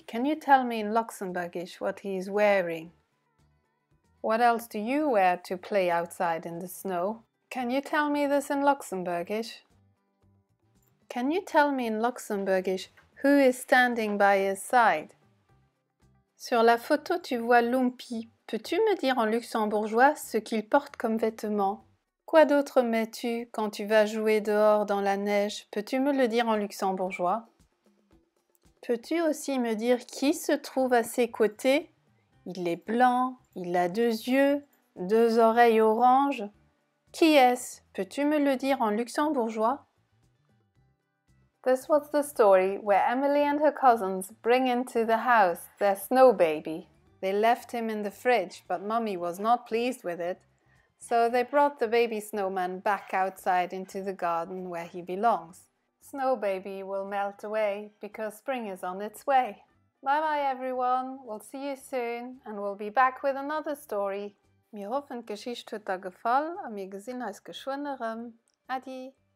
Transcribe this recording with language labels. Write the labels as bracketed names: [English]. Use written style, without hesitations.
[English] Can you tell me in Luxembourgish what he is wearing? What else do you wear to play outside in the snow? Can you tell me this in Luxembourgish? Can you tell me in Luxembourgish who is standing by his side? [French] Sur la photo tu vois Lumpi. Peux-tu me dire en luxembourgeois ce qu'il porte comme vêtement? Quoi d'autre mets-tu quand tu vas jouer dehors dans la neige? Peux-tu me le dire en luxembourgeois? Peux-tu aussi me dire qui se trouve à ses côtés? Il est blanc, il a deux yeux, deux oreilles oranges. Qui est-ce? Peux-tu me le dire en luxembourgeois? [English] This was the story where Emily and her cousins bring into the house their snow baby. They left him in the fridge, but Mummy was not pleased with it. So they brought the baby snowman back outside into the garden where he belongs. Snowbaby will melt away because spring is on its way. Bye bye everyone, we'll see you soon and we'll be back with another story. [German] Wir hoffen, die Geschichte hat dir gefallen und wir sehen uns geschwinderem. Adi!